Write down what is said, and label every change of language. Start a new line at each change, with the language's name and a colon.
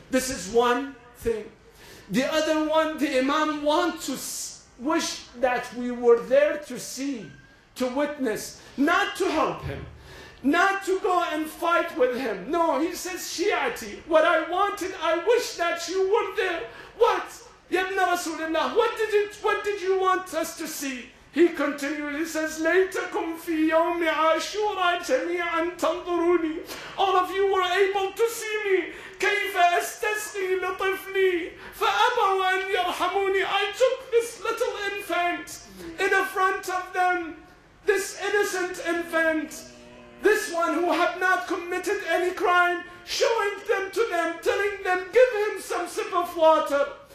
English: This is one thing. The other one, the Imam wants to wish that we were there to see, to witness, not to help him, not to go and fight with him. No, he says, Shi'ati, what I wanted, I wish that you were there. What? Ya Ibn Rasulullah, what did you want us to see? He continues, he says,
Arabic: لَيْتَكُمْ فِي يَوْمِ عَاشُورَ جَمِيعًا تَنْظُرُونِي.
English: All of you were able to see me.
Arabic: كَيْفَ أَسْتَسْقِي لِطِفْلِي فَأَبَوْا أَنْ يَرْحَمُونِي.
English: I took this little infant in the front of them, this innocent infant, this one who had not committed any crime, showing them to them, telling them, give him some sip of water.